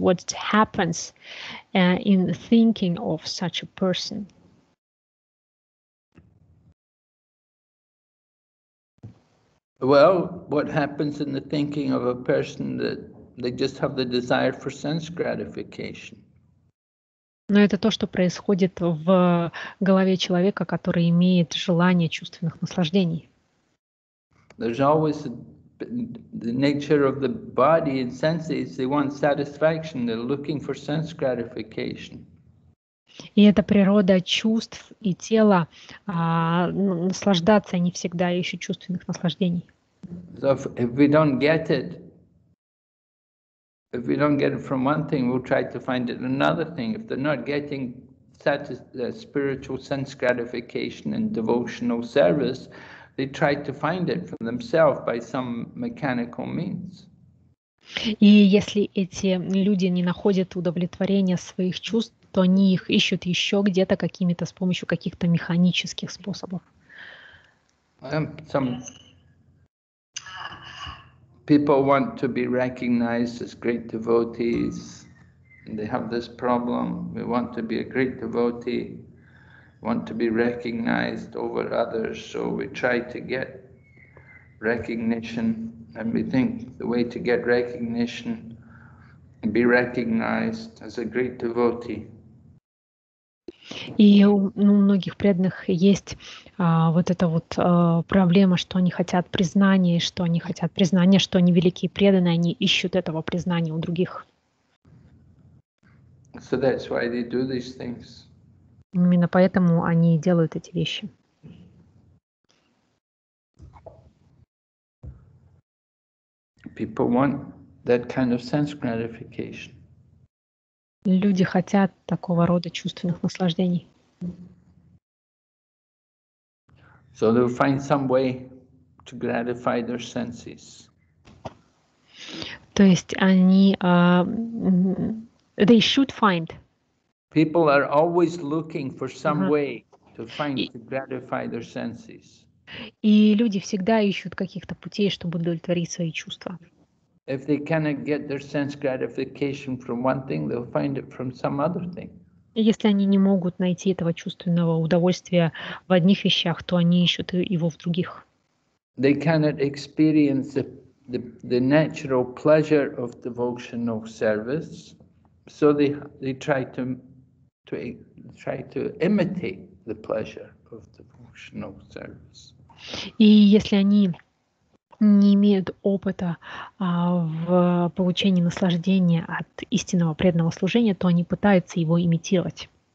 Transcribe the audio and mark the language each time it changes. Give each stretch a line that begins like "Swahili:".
English: What happens in thinking of such a person? Well, what happens in the thinking of a person that they just have the desire for sense gratification?
Russian: Но это то, что происходит в голове человека, который имеет желание чувственных наслаждений.
English: There's always the nature of the body and senses, they want satisfaction, they're looking for sense gratification.
Russian: И это природа чувств и тела, наслаждаться, они всегда ищут чувственных наслаждений.
English: So if we don't get it, if we don't get it from one thing, we'll try to find it another thing. If they're not getting spiritual sense gratification and devotional service, they try to find it for themselves by some mechanical means.
Russian: И если эти люди не находят удовлетворения своих чувств, то они их ищут еще где-то какими-то с помощью каких-то механических способов.
English: People want to be recognized as great devotees. They have this problem. We want to be a great devotee, want to be recognized over others. So we try to get recognition, and we think the way to get recognition, be recognized as a great devotee.
Russian: И у многих преданных есть вот эта вот проблема, что они хотят признания, что они великие преданные, они ищут этого признания у других.
English: So that's why they do these things.
Russian: Именно поэтому они делают эти вещи.
English: People want that kind of sense gratification.
Russian: Люди хотят такого рода чувственных наслаждений.
English: So they'll find some way to gratify their senses.
Russian: То есть они
English: they should find. People are always looking for some way to find to gratify their senses.
Russian: И люди всегда ищут каких-то путей, чтобы удовлетворить свои чувства.
English: If they cannot get their sense gratification from one thing, they'll find it from some other thing.
Russian: Если они не могут найти этого чувственного удовольствия в одних вещах, то они ищут его в других.
English: They cannot experience the natural pleasure of devotional service. So they try to imitate the pleasure of devotional service.
Russian: И если они не имеют опыта в получении наслаждения от истинного преданного служения, то они пытаются его имитировать.